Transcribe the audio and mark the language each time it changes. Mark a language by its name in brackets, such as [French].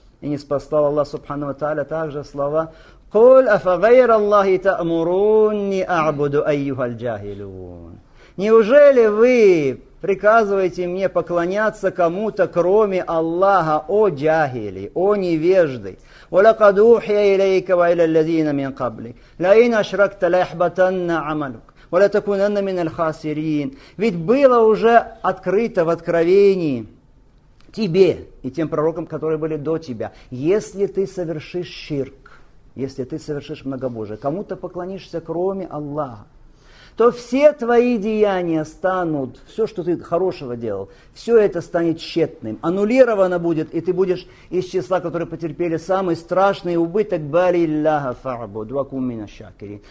[Russian] И ниспослал Аллах Субхану ва Тааля также слова [Arabic] قل أفغير الله تأمروني أعبد أيها الجاهلون. [Russian] Неужели вы приказываете мне поклоняться кому-то кроме Аллаха, о джахили, о невежды? [Arabic] ولقد أوحي إليك وإلى الذين من قبلك لئن أشركت ليحبطن عملك ولتكونن من الخاسرين. [Russian] Ведь было уже открыто в откровении тебе и тем пророкам, которые были до тебя, если ты совершишь ширк, если ты совершишь многобожие, кому-то поклонишься, кроме Аллаха, то все твои деяния станут, все, что ты хорошего делал, все это станет тщетным, аннулировано будет, и ты будешь из числа, которые потерпели самый страшный убыток, [Arabic] «Балиллаха фа'буд вакум мина шакирин».